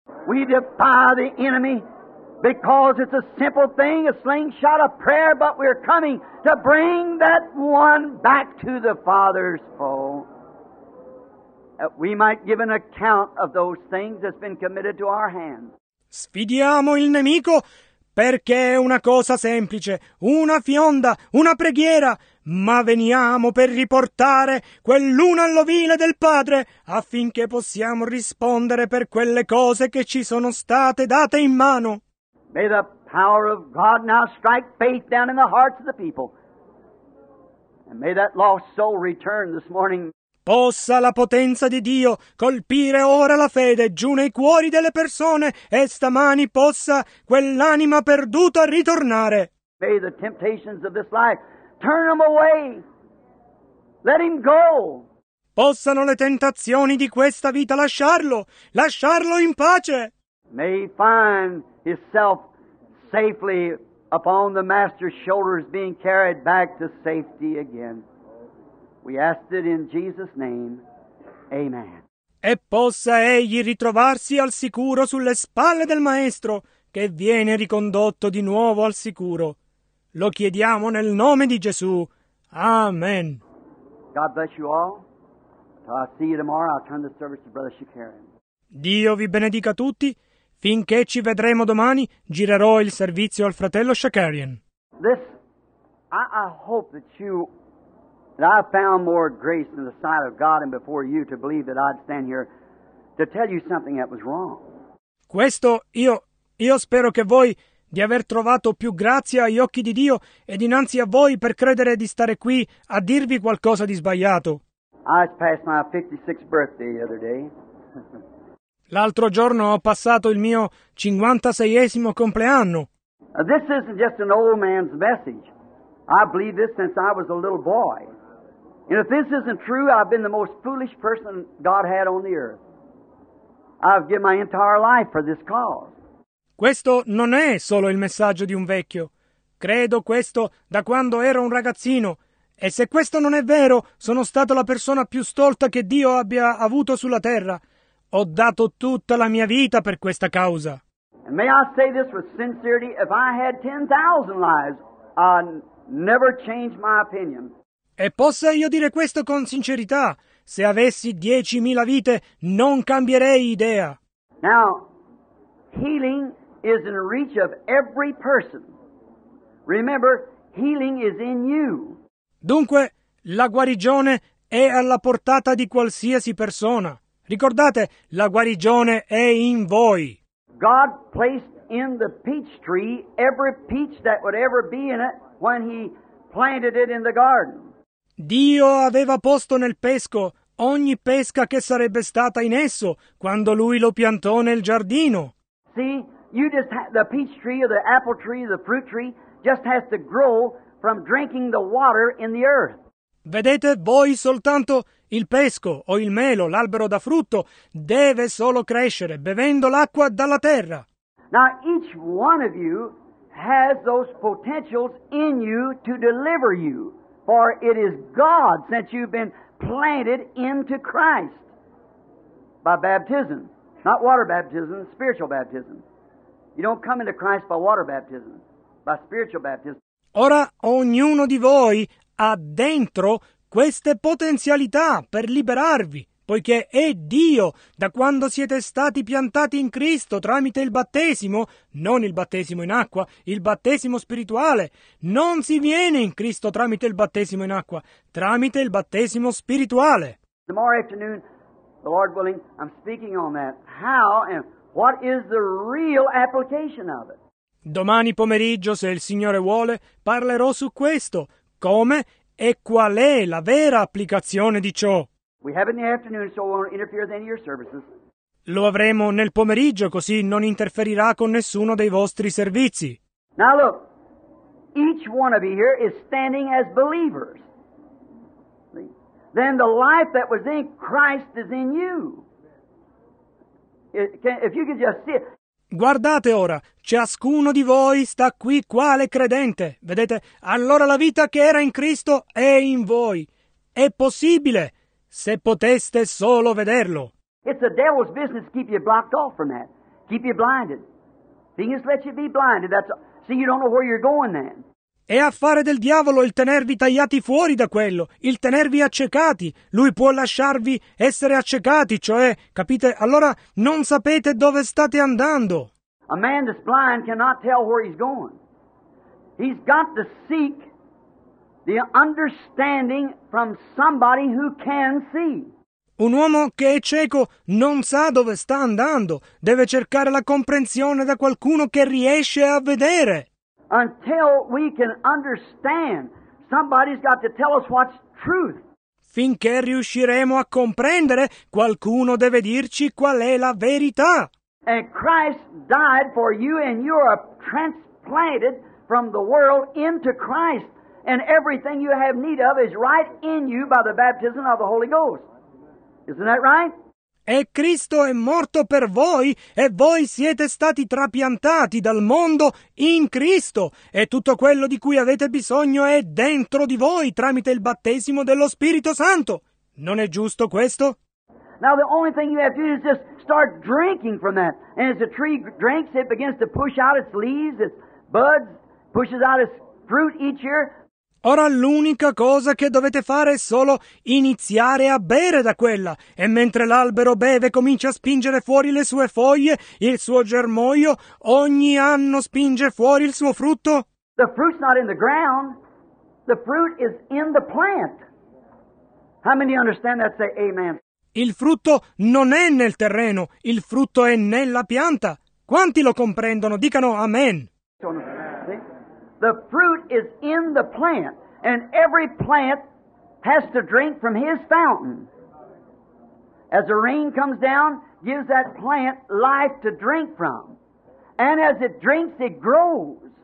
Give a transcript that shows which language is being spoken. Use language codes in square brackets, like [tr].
[en] We defy the enemy. Because it's a simple thing, a slingshot of prayer, but we're coming to bring that one back to the Father's fold. That we might give an account of those things that's been committed to our hands. [it] Sfidiamo il nemico perché è una cosa semplice, una fionda, una preghiera, ma veniamo per riportare quell'una all'ovile del Padre affinché possiamo rispondere per quelle cose che ci sono state date in mano. [en] May the power of God now strike faith down in the hearts of the people. And may that lost soul return this morning. [it] Possa la potenza di Dio colpire ora la fede giù nei cuori delle persone e stamani possa quell'anima perduta ritornare. [en] May the temptations of this life turn him away. Let him go. [it] Possano le tentazioni di questa vita lasciarlo. Lasciarlo in pace. [en] May he find himself safely upon the Master's shoulders, being carried back to safety again. We ask it in Jesus' name. Amen. [it] E possa egli ritrovarsi al sicuro sulle spalle del Maestro, che viene ricondotto di nuovo al sicuro. Lo chiediamo nel nome di Gesù. Amen. [en] God bless you all. Until I see you tomorrow, I'll turn the service to Brother Shakarian. [it] Dio vi benedica tutti. Finché ci vedremo domani, girerò il servizio al fratello Shakarian. [en] This, I hope that you, that I found more grace in the sight of God and before you to believe that I'd stand here to tell you something that was wrong. [it] Questo, io spero che voi di aver trovato più grazia agli occhi di Dio e dinanzi a voi per credere di stare qui a dirvi qualcosa di sbagliato. [en] I passed my 56th birthday the other day. [it] L'altro giorno ho passato il mio 56esimo compleanno. [en] This isn't just an old man's message. I believe this since I was a little boy. And if this isn't true, I've been the most foolish person God had on the earth. I've given my entire life for this cause. [it] Questo non è solo il messaggio di un vecchio. Credo questo da quando ero un ragazzino. E se questo non è vero, sono stato la persona più stolta che Dio abbia avuto sulla terra. Ho dato tutta la mia vita per questa causa. [en] And may I say this with sincerity, if I had 10,000 lives, I'd never change my opinion. [it] E possa io dire questo con sincerità, se avessi 10,000 vite, non cambierei idea. [en] Now, healing is in reach of every person. Remember, healing is in you. [it] Dunque, la guarigione è alla portata di qualsiasi persona. Ricordate, la guarigione è in voi. [en] God placed in the peach tree every peach that would ever be in it when he planted it in the garden. [it] Dio aveva posto nel pesco ogni pesca che sarebbe stata in esso quando lui lo piantò nel giardino. [en] See, you just the peach tree or the apple tree or the fruit tree just has to grow from drinking the water in the earth. [it] Vedete, voi soltanto il pesco o il melo, l'albero da frutto, deve solo crescere bevendo l'acqua dalla terra. [en] Now each one of you has those potentials in you to deliver you, for it is God since you've been planted into Christ by baptism, not water baptism, spiritual baptism. You don't come into Christ by water baptism, by spiritual baptism. [it] Ora ognuno di voi ha dentro queste potenzialità per liberarvi, poiché è Dio, da quando siete stati piantati in Cristo tramite il battesimo, non il battesimo in acqua, il battesimo spirituale. Non si viene in Cristo tramite il battesimo in acqua, tramite il battesimo spirituale. [en] Tomorrow afternoon, the Lord willing, I'm speaking on that. How and what is the real application of it? [it] Domani pomeriggio, se il Signore vuole, parlerò su questo. Come e qual è la vera applicazione di ciò? [en] We have it in the afternoon, so we won't interfere with any of your services. [it] Lo avremo nel pomeriggio, così non interferirà con nessuno dei vostri servizi. [en] Now look, each one of you here is standing as believers. Then the life that was in Christ is in you. If you could just see it. [it] Guardate ora, ciascuno di voi sta qui quale credente. Vedete, allora la vita che era in Cristo è in voi. È possibile, se poteste solo vederlo. [en] It's the devil's business to keep you blocked off from that. Keep you blinded. He just let you be blinded. That's see, you don't know where you're going then. [it] È affare del diavolo il tenervi tagliati fuori da quello, il tenervi accecati. Lui può lasciarvi essere accecati, cioè, capite? Allora non sapete dove state andando. [en] A man that's blind cannot tell where he's going. He's got to seek the understanding from somebody who can see. [it] Un uomo che è cieco non sa dove sta andando. Deve cercare la comprensione da qualcuno che riesce a vedere. [en] Until we can understand, somebody's got to tell us what's truth. [it] Finché riusciremo a comprendere, qualcuno deve dirci qual è la verità. [en] And Christ died for you, and you are transplanted from the world into Christ, and everything you have need of is right in you by the baptism of the Holy Ghost. Isn't that right? [it] E Cristo è morto per voi e voi siete stati trapiantati dal mondo in Cristo e tutto quello di cui avete bisogno è dentro di voi tramite il battesimo dello Spirito Santo. Non è giusto questo? [en] Now the only thing you have to do is just start drinking from that. And as the tree drinks, it begins to push out its leaves, its buds, pushes out its fruit each year. [it] Ora l'unica cosa che dovete fare è solo iniziare a bere da quella. E mentre l'albero beve comincia a spingere fuori le sue foglie, il suo germoglio, ogni anno spinge fuori il suo frutto. [en] The fruit's not in the ground. The fruit is in the plant. How many understand that? Say amen. [it] Il frutto non è nel terreno. Il frutto è nella pianta. Quanti lo comprendono? Dicano amen. [en] The fruit is in the plant, and every plant has to drink from his fountain. As the rain comes down, gives that plant life to drink from. And as it drinks, it grows.